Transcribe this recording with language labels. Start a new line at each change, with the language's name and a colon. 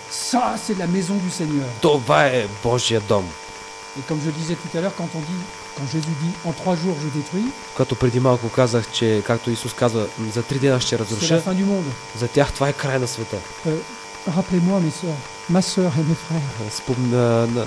French: Ça, c'est la maison du Seigneur.
Bulgarian: Това е Божия дом.
French: Et comme je disais tout à l'heure, quand Jésus dit en 3 jours je détruis.
Bulgarian: Като преди малко казах, че както Исус казва, за 3 дена ще разруша.
French: C'est la fin du monde.
Bulgarian: За тях това е край на света.
French: Rappelez-moi mes soeurs, ma soeur et mes frères.